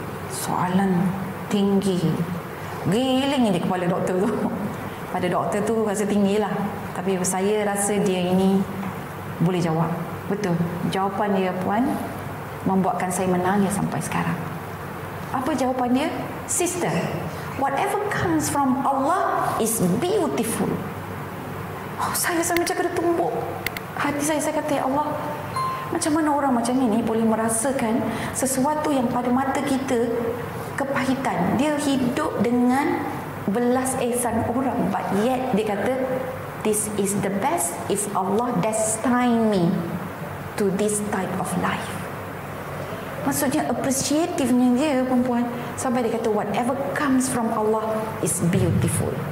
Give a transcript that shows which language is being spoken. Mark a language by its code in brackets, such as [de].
[ms] Soalan tinggi. Giling je kepala doktor tu. Pada doktor tu rasa tinggilah. Tapi saya rasa dia ini boleh jawab. Betul. Jawapan dia Puan membuatkan saya menangis sampai sekarang. Apa jawapan dia? [en] Sister, whatever comes from Allah is beautiful. [ms] Oh, saya sampai macam kena tumbuk. Hati saya kata, ya Allah, macam mana orang macam ini boleh merasakan sesuatu yang pada mata kita kepahitan. Dia hidup dengan belas ihsan orang. [en] But yet, [ms] dia kata, [en] this is the best if Allah destined me to this type of life. [ms] Maksudnya, appreciative-nya dia, perempuan. Sampai dia kata, [en] whatever comes from Allah is beautiful.